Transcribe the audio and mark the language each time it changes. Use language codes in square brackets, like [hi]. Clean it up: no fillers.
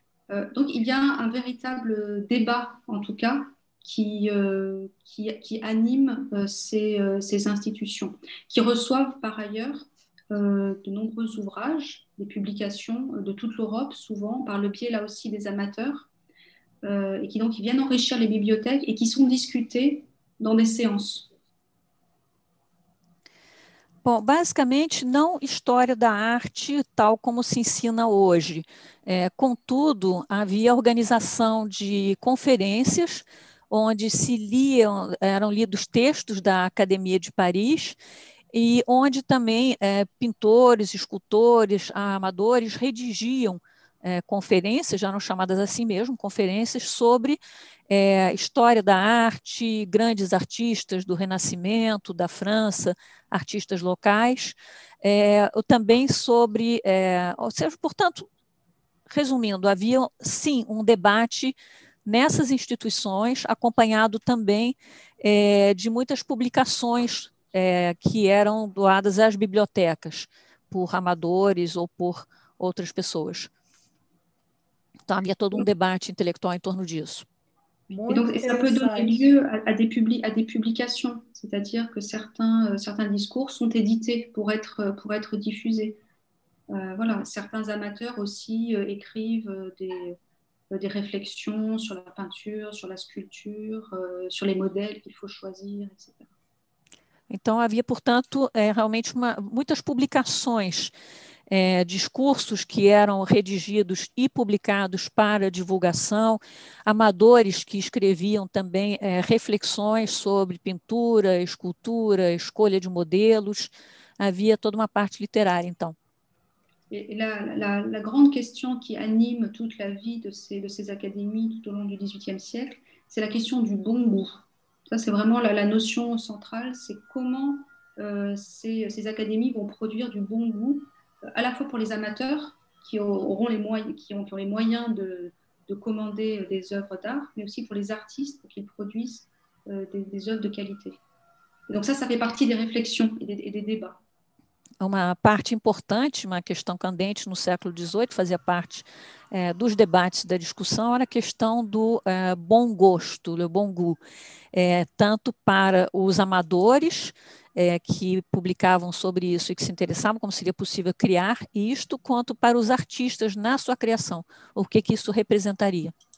[fr] Donc il y a un véritable débat en tout cas qui anime ces institutions, qui reçoivent par ailleurs de nombreux ouvrages, des publications de toute l'Europe, souvent par le biais là aussi des amateurs, et qui donc viennent enrichir les bibliothèques et qui sont discutés dans des séances. [pt] Bom, basicamente, não história da arte tal como se ensina hoje. Contudo, havia organização de conferências onde se liam, eram lidos textos da Academia de Paris e onde também pintores, escultores, amadores redigiam conferências, já eram chamadas assim mesmo, conferências sobre história da arte, grandes artistas do Renascimento, da França, artistas locais, também sobre, ou seja, portanto, resumindo, havia sim um debate nessas instituições, acompanhado também de muitas publicações que eram doadas às bibliotecas por amadores ou por outras pessoas. Então, havia todo um debate intelectual em torno disso. [fr] Et donc, ça peut donner lieu à des publications, c'est-à-dire que certains discours sont édités pour être diffusés. Voilà, certains amateurs aussi écrivent des, des réflexions sur la peinture, sur la sculpture, sur les modèles qu'il faut choisir, etc. [pt] Então, havia, portanto, realmente muitas publicações, discursos que eram redigidos e publicados para divulgação, amadores que escreviam também reflexões sobre pintura, escultura, escolha de modelos. Havia toda uma parte literária, então. [fr] Et la grande question qui anime toute la vie de ces académies tout au long du XVIIIe siècle, c'est la question du bon goût. Ça, c'est vraiment la notion centrale, c'est comment ces académies vont produire du bon goût, à la fois pour les amateurs qui ont les moyens de commander des œuvres d'art, mais aussi pour les artistes, pour qu'ils produisent des œuvres de qualité. Et donc ça fait partie des réflexions et des débats. [pt] Uma parte importante, uma questão candente no século XVIII, fazia parte dos debates da discussão, era a questão do bom gosto, [fr] le bon goût, [pt] tanto para os amadores que publicavam sobre isso e que se interessavam, como seria possível criar isto, quanto para os artistas na sua criação, o que que isso representaria.